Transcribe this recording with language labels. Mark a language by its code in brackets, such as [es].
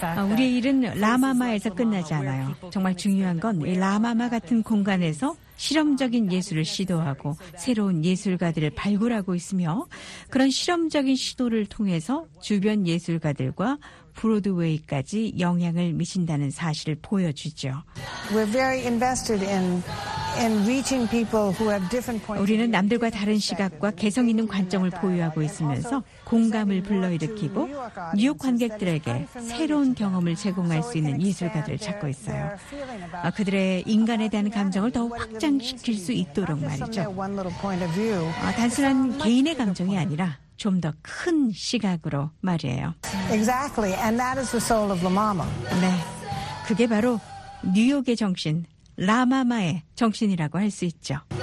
[ko] 우리의 일은 라마마에서 끝나지 않아요. 정말 중요한 건 이 라마마 같은 공간에서 실험적인 예술을 시도하고 새로운 예술가들을 발굴하고 있으며 그런 실험적인 시도를 통해서 주변 예술가들과 브로드웨이까지 영향을 미친다는 사실을 보여주죠. [en] We're very invested in reaching people who have different points. [ko] 우리는 남들과 다른 시각과 개성 있는 관점을 보유하고 있으면서 공감을 불러일으키고 뉴욕 관객들에게 새로운 경험을 제공할 수 있는 예술가들을 찾고 있어요. 그들의 인간에 대한 감정을 더욱 확장시킬 수 있도록 말이죠. 단순한 개인의 감정이 아니라 좀 더 큰 시각으로 말이에요. [en] Exactly, and that is the soul of La Mama. [ko] 네, 그게 바로 뉴욕의 정신, 라마마의 정신이라고 할 수 있죠.